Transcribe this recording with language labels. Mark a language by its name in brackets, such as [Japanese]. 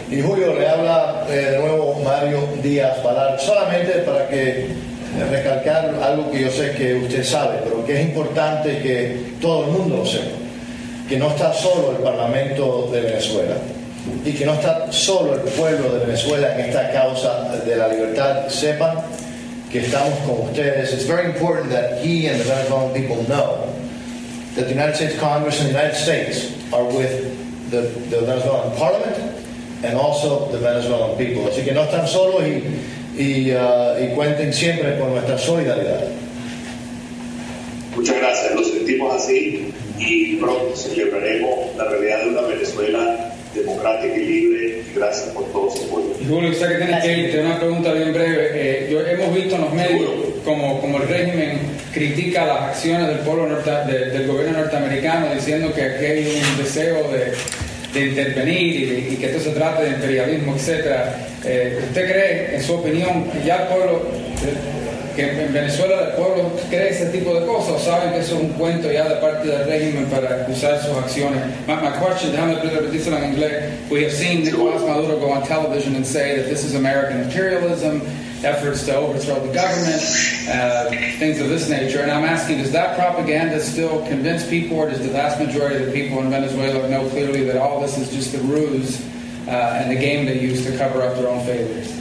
[Spanish] Y Julio, le habla de nuevo Mario Díaz Valar, solamente para que recalcar algo que yo sé que usted sabe, pero que es importante que todo el mundo lo sepa, que no está solo el Parlamento de Venezuela y que no está solo el pueblo de Venezuela en esta causa de la libertad. Sepan que estamos con ustedes. [English] It's very important that he and the Venezuelan people know that the United States Congress and the United States are with the Venezuelan Parliament and also the Venezuelan people. [Spanish] Así que no están solos y cuenten siempre con nuestra solidaridad. Muchas gracias, lo sentimos así y pronto celebraremos la realidad de una Venezuela democrática y libre. Gracias por todo su apoyo. Julio, sé que tienes que irte, una pregunta bien breve. Hemos visto en los medios como el régimen critica las acciones del pueblo del gobierno norteamericano, diciendo que aquí hay un deseo de intervenir y que esto se trate de imperialismo, etcétera. ¿Usted cree, en su opinión, que ya el pueblo, que en Venezuela el pueblo cree ese tipo de cosas, o saben que eso es un cuento ya de parte del régimen para excusar sus acciones? [English] My question, [Spanish] déjame repetirlo en inglés. [English] We have seen Nicolás Maduro go on television and say that this is American imperialism, efforts to overthrow the government, things of this nature. And I'm asking, does that propaganda still convince people, or does the vast majority of the people in Venezuela know clearly that all this is just a ruse and a game they use to cover up their own failures?